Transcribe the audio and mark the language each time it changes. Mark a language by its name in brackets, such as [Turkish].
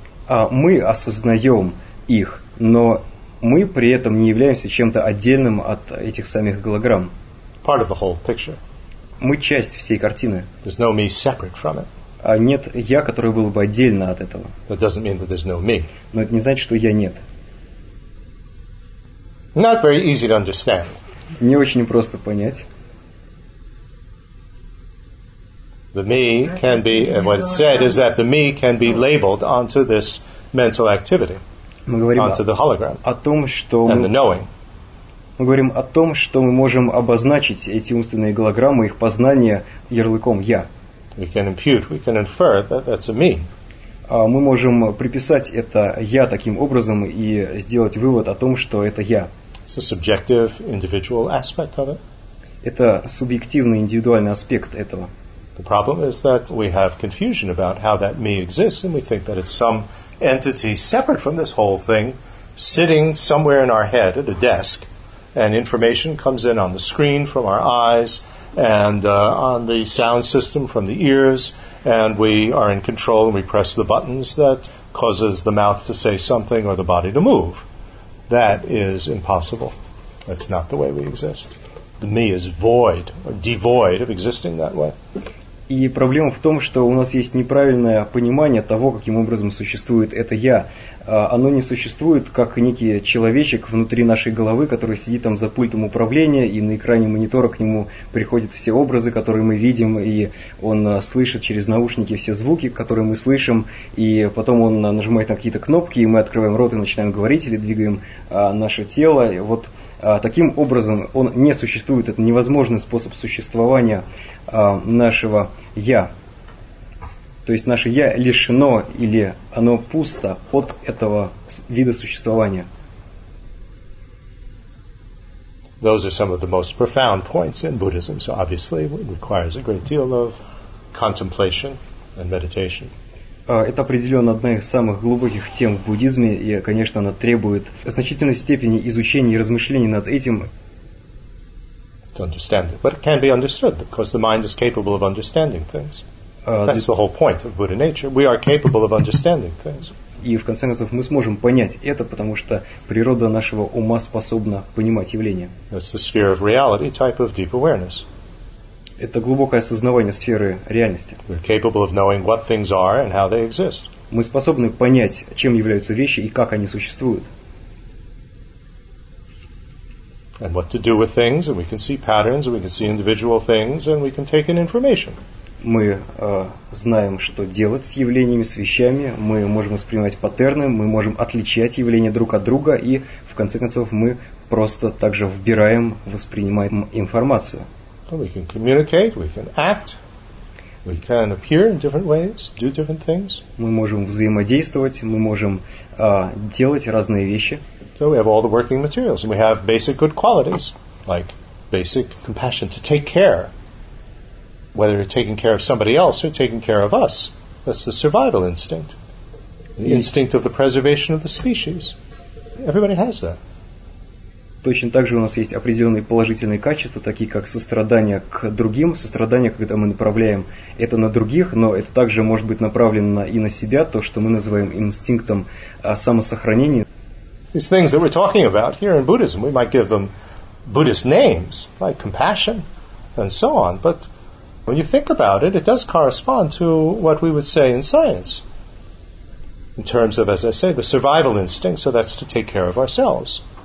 [Russian] Мы осознаем их, но мы при этом не являемся чем-то отдельным от этих самих голограмм. [English] Part of the whole picture. [Russian] Мы часть всей картины. [English] There's no me separate from it. [Russian] Нет я, который был бы отдельно от этого. [English] That doesn't mean that there's no me. [Russian] Но это не значит, что я нет. [English] Not very easy to understand. [Russian] Не очень просто понять. [English] The me can be, and what it said is that the me can be labeled onto this mental activity, onto the hologram, and the knowing. [Russian] Мы говорим о том, что мы можем обозначить эти умственные голограммы, их познание ярлыком «я». [English] We can impute, we can infer that that's a me. [Russian] Мы можем приписать это «я» таким образом и сделать вывод о том, что это «я». [English] It's a subjective, individual aspect of it. [Russian] Это субъективный, индивидуальный аспект этого. [English] The problem is that we have confusion about how that me exists, and we think that it's some entity separate from this whole thing, sitting somewhere in our head at a desk, and information comes in on the screen from our eyes, and on the sound system from the ears, and we are in control, and we press the buttons that causes the mouth to say something or the body to move. That is impossible. That's not the way we exist. The me is void, or devoid of existing that way. [Russian] И проблема в том, что у нас есть неправильное понимание того, каким образом существует это «я». Оно не существует как некий человечек внутри нашей головы, который сидит там за пультом управления, и на экране монитора к нему приходят все образы, которые мы видим, и он слышит через наушники все звуки, которые мы слышим, и потом он нажимает на какие-то кнопки, и мы открываем рот и начинаем говорить или двигаем наше тело. И вот таким образом он не существует, это невозможный способ существования нашего «я». То есть наше «я» лишено или оно пусто от этого вида существования. [English] Those are some of the most profound points in Buddhism, so obviously it requires a great deal of contemplation and meditation. [Russian] Это определенно одна из самых глубоких тем в буддизме, и, конечно, она требует значительной степени изучения и размышлений над этим. [English] To understand it, but it can be understood because the mind is capable of understanding things. That's the whole point of Buddha nature. We are capable of understanding things. [Russian] И в конце концов мы сможем понять это, потому что природа нашего ума способна понимать явления. [English] That's the sphere of reality, type of deep awareness. [Russian] Это глубокое осознавание сферы реальности. [English] We're capable of knowing what things are and how they exist. [Russian] Мы способны понять, чем являются вещи и как они существуют. [English] And what to do with things, and we can see patterns, and we can see individual things, and we can take in information. [Russian] Мы знаем, что делать с явлениями, с вещами. Мы можем воспринимать паттерны, мы можем отличать явления друг от друга, и в конце концов мы просто также вбираем, воспринимаем информацию. [English] We can communicate, we can act, we can appear in different ways, do different things. [Russian] Мы можем взаимодействовать, мы можем делать разные вещи. [English] So we have all the working materials, and we have basic good qualities, like basic compassion, to take care. Whether you're taking care of somebody else or taking care of us, that's the survival instinct. The instinct of the preservation of the species. Everybody has that. [Russian] Точно так же у нас есть определенные положительные качества, такие как сострадание к другим, сострадание, когда мы направляем это на других, но это также может быть направлено и на себя, то, что мы называем инстинктом самосохранения. [English] These things that we're talking about here in Buddhism, we might give them Buddhist names, like compassion and so on, but when you think about it, it does correspond to what we would say in science, in terms of, as I say, the survival instinct, so that's to take care of ourselves.